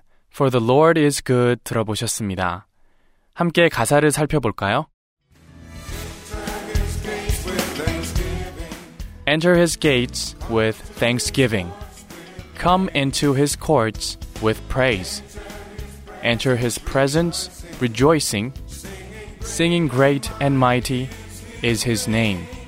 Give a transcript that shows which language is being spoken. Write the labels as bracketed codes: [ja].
[ko] For the Lord is good 들어보셨습니다. 함께 가사를 살펴볼까요? [en] Enter his gates with thanksgiving. Come into his courts with praise. Enter his presence rejoicing. Singing great and mighty is his name.